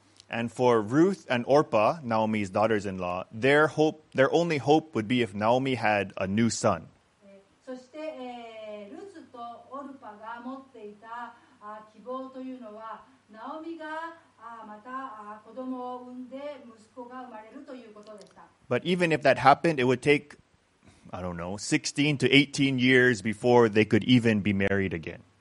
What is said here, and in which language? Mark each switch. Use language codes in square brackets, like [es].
[en] And for Ruth and Orpah, Naomi's daughters-in-law, their only hope would be if Naomi had a new son. [ja] そして、ルツとオルパが持っていた、希望というのは、ナオミが、また、子供を産んで息子が生まれるということでした。 [en] But even if that happened, it would take, I don't know, 16 to 18 years before they could even be married again.